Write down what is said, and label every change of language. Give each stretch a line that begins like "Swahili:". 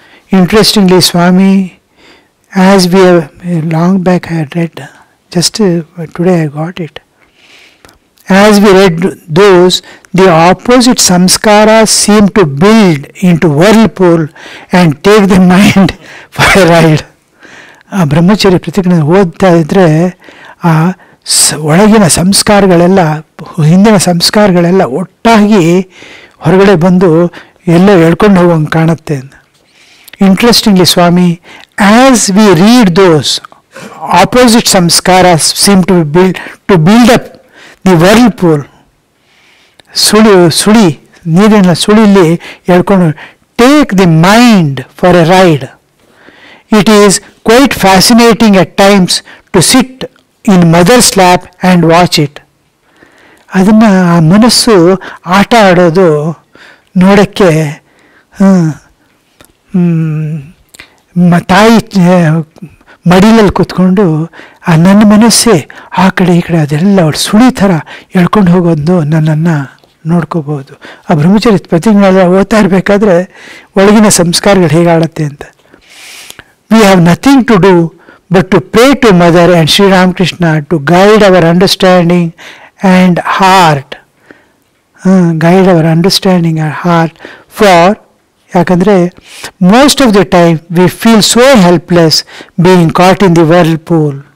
English: Interestingly, Swami, as we have long back I had read, just today I got it. As we read those, the opposite samskaras seem to build into whirlpool and take the mind for a ride.
Kannada: Brahmacharya Pratigna ಓದ್ತಾ ಇದ್ರೆ ಆ ಒಳಗಿನ ಸಂಸ್ಕಾರಗಳೆಲ್ಲ ಹಿಂದಿನ ಸಂಸ್ಕಾರಗಳೆಲ್ಲ ಒಟ್ಟಾಗಿ ಹೊರಗಡೆ ಬಂದು ಎಲ್ಲ ಹೇಳ್ಕೊಂಡು ಹೋಗಂಗೆ ಕಾಣುತ್ತೆ.
English: interestingly ಸ್ವಾಮಿ, as we read those opposite ಸಂಸ್ಕಾರಸ್ seem to build up the whirlpool
Kannada: ಸುಳಿ ನೀರಿನ ಸುಳಿಲಿ ಹೇಳ್ಕೊಂಡು
English: Take the mind for a ride. It is quite fascinating at times to sit in mother's lap and watch it.
Kannada: ಅದನ್ನು ಆ ಮನಸ್ಸು ಆಟ ಆಡೋದು ನೋಡೋಕ್ಕೆ ತಾಯಿ ಮಡಿಲಲ್ಲಿ ಕೂತ್ಕೊಂಡು ಆ ನನ್ನ ಮನಸ್ಸೇ ಆ ಕಡೆ ಈ ಕಡೆ ಅದೆಲ್ಲ ಅವಳು ಸುಳಿ ಥರ ಎಳ್ಕೊಂಡು ಹೋಗೋದು ನನ್ನನ್ನು ನೋಡ್ಕೋಬಹುದು. ಆ ಬ್ರಹ್ಮಚರ್ಯ ಪ್ರತಿಜ್ಞೆ ಓದ್ತಾ ಇರಬೇಕಾದ್ರೆ ಒಳಗಿನ ಸಂಸ್ಕಾರಗಳು ಹೇಗಾಡುತ್ತೆ ಅಂತ.
English: We have nothing to do but to pray to Mother and Sri Ramakrishna to guide our understanding and heart. Guide our understanding and heart for,
Kannada: yakandre,
English: most of the time we feel so helpless being caught in the whirlpool.